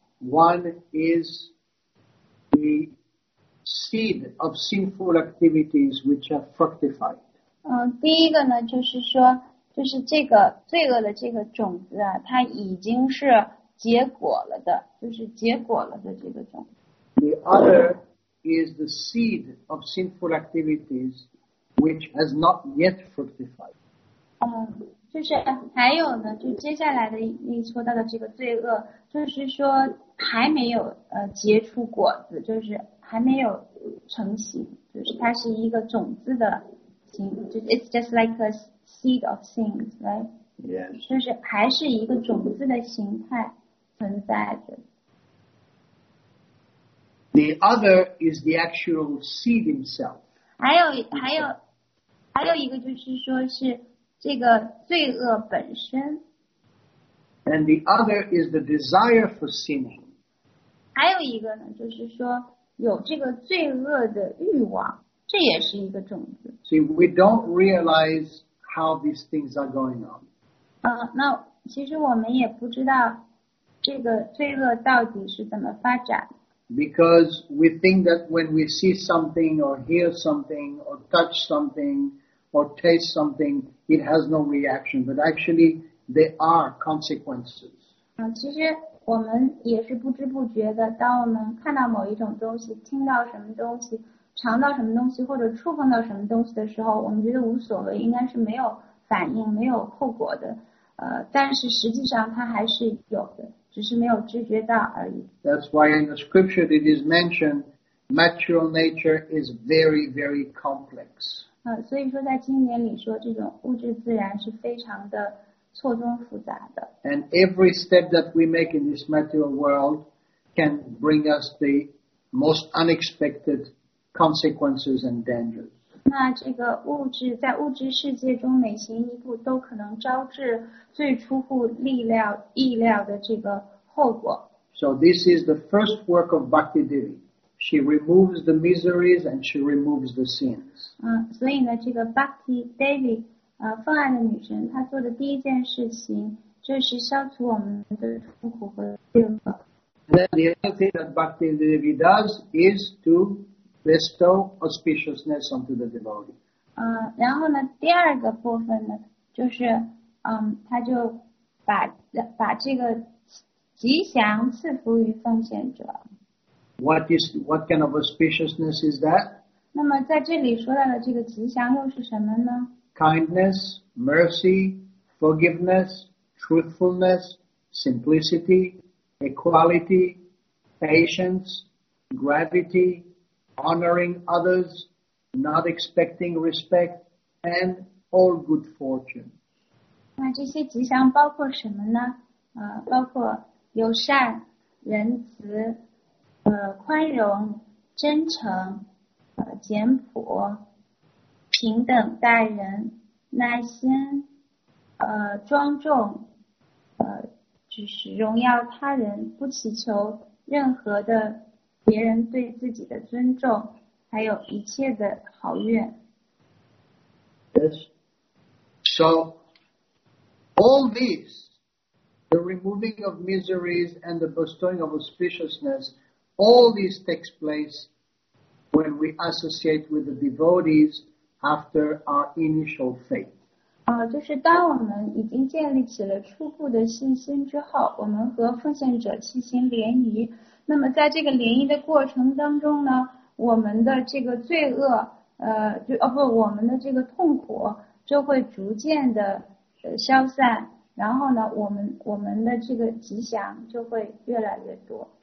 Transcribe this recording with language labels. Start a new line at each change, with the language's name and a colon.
English: One is the seed of sinful activities which are fructified.
Chinese: 第一个呢，就是说，就是这个罪恶的这个种子啊，它已经是结果了的，就是结果了的这个种子。
English: The other is the seed of sinful activities which has not yet fructified.
Chinese: 就是还有呢，就接下来的你说到的这个罪恶，就是说还没有结出果子，就是还没有成型，就是它是一个种子的形，就是
English: it's just like a seed of things, right? Yes.
Chinese: 就是还是一个种子的形态存在的。
English: The other is the actual seed himself.
Chinese: 还有一个就是说是这个罪恶本身。
English: And the other is the desire for sinning.
Chinese: 还有一个呢，就是说有这个罪恶的欲望，这也是一个种子。
English: See, we don't realize how these things are going on.
Chinese: 那其实我们也不知道这个罪恶到底是怎么发展。
English: Because we think that when we see something or hear something or touch something or taste something, it has no reaction. But actually, there are consequences.
Chinese: 其实我们也是不知不觉的，当我们看到某一种东西、听到什么东西、尝到什么东西或者触碰到什么东西的时候，我们觉得无所谓，应该是没有反应、没有后果的。但是实际上它还是有的。只是没有知觉到而已。
English: That's why in the scripture it is mentioned, material nature is very, very complex.
Chinese: 所以说在经典里说这种物质自然是非常的错综复杂的。
English: And every step that we make in this material world can bring us the most unexpected consequences and dangers.
Chinese: 那这个物质在物质世界中每行一步都可能招致最出乎意料的这个后果。
English: So this is the first work of Bhakti Devi. She removes the miseries and she removes the sins.
Chinese: 所以呢，这个 Bhakti Devi， 奉爱的女神，她做的第一件事情就是消除我们的痛苦和罪恶。
English: Then the other thing that Bhakti Devi does is to bestow auspiciousness onto the devotee.
Chinese: 然后呢，第二个部分呢，就是他就把这个吉祥赐福于奉献者。
English: What kind of auspiciousness is that?
Chinese: 那么在这里说到的这个吉祥又是什么呢？
English: Kindness, mercy, forgiveness, truthfulness, simplicity, equality, patience, gravity, honoring others, not expecting respect, and all good fortune.
Chinese: 那这些吉祥包括什么呢？包括友善、仁慈、宽容、真诚、简朴、平等待人、耐心、庄重、就是荣耀他人，不祈求任何的别人对自己的尊重，还有一切的好运。
English: Yes. So. All these, the removing of miseries and the bestowing of auspiciousness, all these takes place when we associate with the devotees after our initial faith.
Chinese: 就是当我们已经建立起了初步的信心之后，我们和奉献者进行联谊。那么在这个联谊的过程当中呢，我们的这个罪恶，我们的这个痛苦就会逐渐的消散，然后呢，我们的这个吉祥就会越来越多。